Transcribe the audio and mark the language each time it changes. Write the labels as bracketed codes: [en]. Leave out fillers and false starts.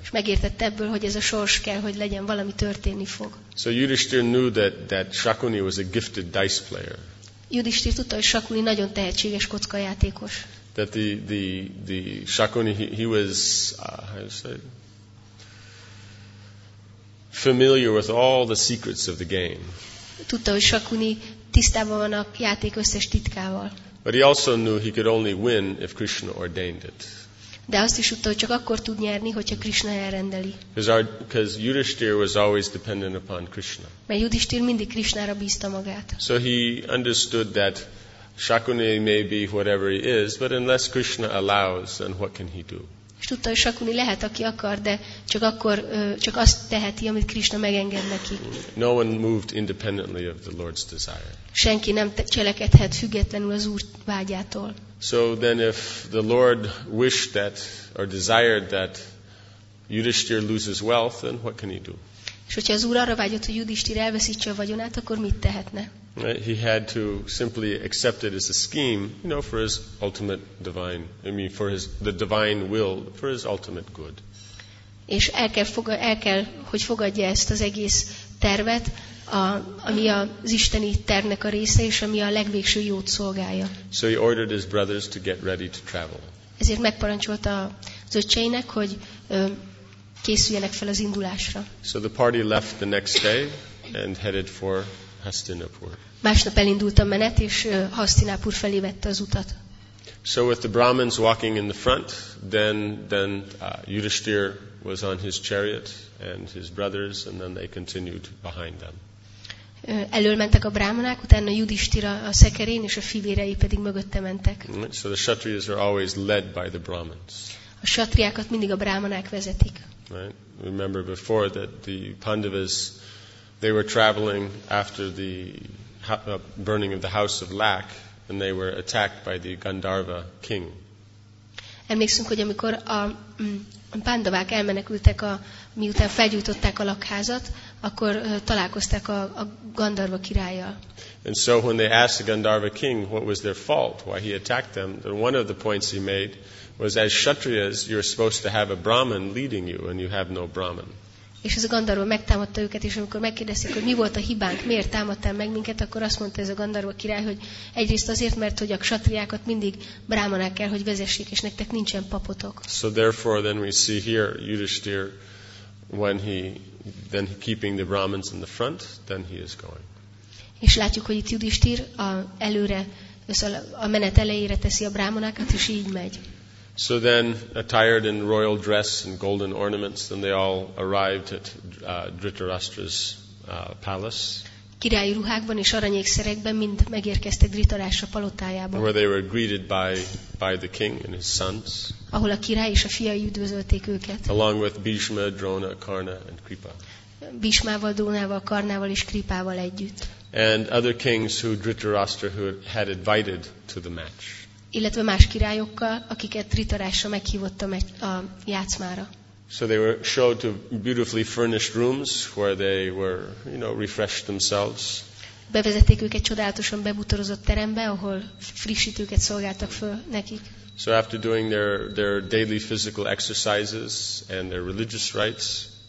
[hu] És megértett ebből, hogy ez a sors kell, hogy legyen, valami történni fog. [en] So Yudhishthir knew that Shakuni was a gifted dice player. [hu] Yudhishthir tudta, hogy Shakuni nagyon tehetséges kockajátékos. [en] That the Shakuni he was how to say familiar with all the secrets of the game. [hu] Tudta, hogy Shakuni tisztában van a játék összes titkával. [en] But he also knew he could only win if Krishna ordained it. [hu] De azt is tudta, hogy csak akkor tud nyerni, hogyha Krishna elrendeli. [en] Because Yudhishthir was always dependent upon Krishna. [hu] Mert Yudhishthir mindig Krishnára bízta magát. [en] So he understood that Shakuni may be whatever he is, but unless Krishna allows, then what can he do? [hu] És tudta, hogy Shakuni lehet, aki akar, de csak akkor, csak azt teheti, amit Krishna megenged neki. [en] No one moved independently of the Lord's desire. [hu] Senki nem cselekedhet függetlenül az Úr vágyától. [en] So then if the Lord wished that or desired that Yudhishthir loses wealth, then what can he do? [hu] És hogyha az Úr arra vágyott, hogy Yudhishthir elveszítse a vagyonát, akkor mit tehetne? [en] He had to simply accept it as a scheme, you know, for his ultimate divine, for his the divine will, for his ultimate good. [hu] És el kell, hogy fogadja ezt az egész tervet, ami az isteni tervnek a része, és ami a legvégső jót szolgálja. [en] So he ordered his brothers to get ready to travel. [hu] Ezért megparancsolta az öcseinek, hogy készüljenek fel az indulásra. [en] So the party left the next day and headed for Hastinapur. [hu] Másnap elindult a menet, és Hastinapur felé vette az utat. [en] So with the Brahmins walking in the front, then Yudhishthir was on his chariot and his brothers, and then they continued behind them. [hu] Elől mentek a brahmanák, utána Yudhishthir a szekerén, és a fivérei pedig mögötte mentek. [en] So the kshatriyas are always led by the Brahmins. [hu] A kshatriákat mindig a brahmanák vezetik. [en] Right? Remember before that the Pandavas they were traveling after the burning of the house of Lak, and they were attacked by the Gandharva king. [hu] Emlékszünk, hogy amikor a Pandavák elmenekültek, miután felgyújtották a lakházat, akkor találkozták a Gandharva királlyal. [en] And so when they asked the Gandharva king what was their fault, why he attacked them, one of the points he made was, as Kshatriyas, you're supposed to have a Brahman leading you, and you have no Brahman. [hu] És ez a Gandharva megtámadta őket, és amikor megkérdezték, hogy mi volt a hibánk, miért támadtál meg minket, akkor azt mondta ez a Gandharva király, hogy egyrészt azért, mert hogy a ksatriákat mindig brámanák kell, hogy vezessék, és nektek nincsen papotok. [en] So therefore then we see here Yudhishthir, when he then keeping the Brahmins in the front, then he is going. [hu] És látjuk, hogy itt Yudhishthir előre, a menet elejére teszi a brámanákat, és így megy. [en] So then, attired in royal dress and golden ornaments, then they all arrived at Dhritarashtra's palace. [hu] Királyi ruhákban és aranyékszerekben mind megérkeztek Dhritarashtra palotájába. [en] Where they were greeted by the king and his sons. [hu] Ahol a király és a fiai üdvözölték őket. [en] Along with Bhishma, Drona, Karna and Kripa. [hu] Bhishmával, Drónával, Karnával és Kripával együtt. [en] And other kings who Dhritarashtra had invited to the match. [hu] Illetve más királyokkal, akiket Dhritarashtra meghívott a játszmára. [en] So they were showed to beautifully furnished rooms where they were, you know, refreshed themselves. [hu] Bevezették őket csodálatosan bebútorozott terembe, ahol frissítőket szolgáltak föl nekik. [en] So after doing their daily physical exercises and their religious rites.